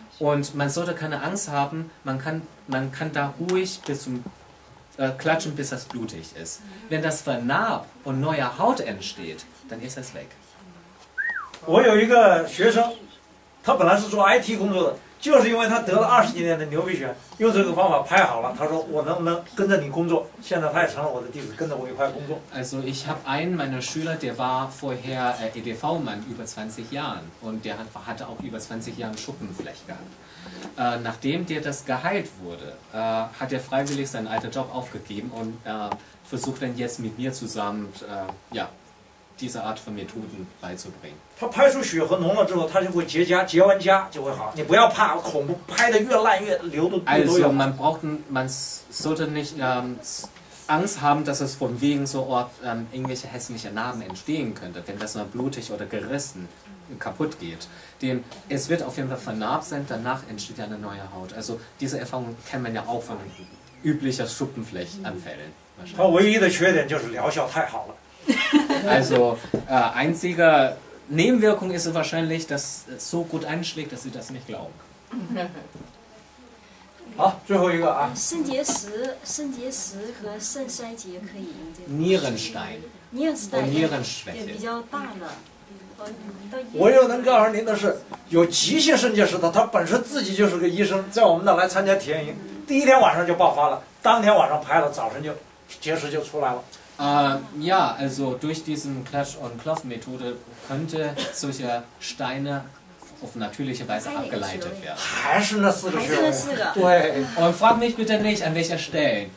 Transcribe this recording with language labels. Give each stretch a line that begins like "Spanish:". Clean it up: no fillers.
German: Und man sollte keine Angst haben, man kann da ruhig bis zum klatschen, bis das blutig ist. Wenn das vernarbt und neue Haut entsteht, dann ist das weg. Ich habe einen Schüler, der eigentlich IT-Arbeit macht, weil er 20 Jahre lang Nukichuan hat.
Chinese: 用这个方法拍好了，他说我能不能跟着你工作？现在他也成了我的弟子，跟着我一块工作。
German: Also ich habe einen meiner Schüler, der war vorher EDV-Mann über 20 Jahren und der hatte auch über 20 Jahren Schuppenfleck gehabt. Nachdem der das geheilt wurde, hat er freiwillig seinen alten Job aufgegeben und versucht dann jetzt mit mir zusammen, ja, diese Art von Methoden beizubringen.
Chinese: 他拍出血和脓了之后，他就会结痂，结完痂就会好。你不要怕恐怖，拍得越烂越流的。
German: Also man braucht, man sollte nicht Angst haben, dass es von wegen so Ort irgendwelche hässlichen Narben entstehen könnte, wenn das nur blutig oder gerissen kaputt geht. Denn es wird auf jeden Fall vernarbt sein, danach entsteht ja eine neue Haut. Also diese Erfahrung kennt man ja auch von üblicher Schuppenflechanfällen.
Chinese: 他唯一的缺点就是疗效太好了。
German: Also einziger Nebenwirkung ist wahrscheinlich, dass es so gut einschlägt, dass sie das nicht glauben.
Chinese: 好，最后一个啊。肾结石和肾衰竭可以用这
German: 个。Nierenstein. Nierenstein. Nierenschwäche.
Chinese: 比较大了。我又能告诉您的是，有急性肾结石的，他本身自己就是个医生，在我们那来参加体验营，第一天晚上就爆发了，当天晚上拍了，早晨就结石就出来了。
German: Ja, also durch diesen Clash-on-Cloth-Methode könnte solche Steine auf natürliche Weise abgeleitet werden.
Chinese: 还是那四个穴位。对。
German: Und frag mich bitte nicht, an welcher Stelle.